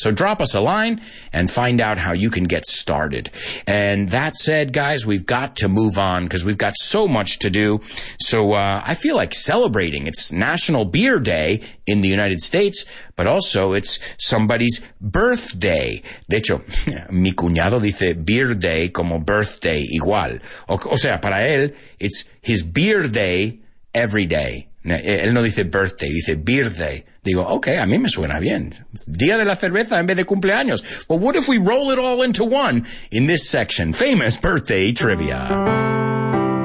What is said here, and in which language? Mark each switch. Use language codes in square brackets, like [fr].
[en] So drop us a line and find out how you can get started. And that said, guys, we've got to move on because we've got so much to do. So I feel like celebrating. It's National Beer Day in the United States, but also it's somebody's birthday. [es] De hecho, mi cuñado dice beer day como birthday igual. O sea, para él, [en] it's his beer day every day. [es] Él no dice birthday, dice birthday. Digo, okay, a mí me suena bien. Día de la cerveza en vez de cumpleaños. [en] Well, what if we roll it all into one in this section? Famous birthday trivia.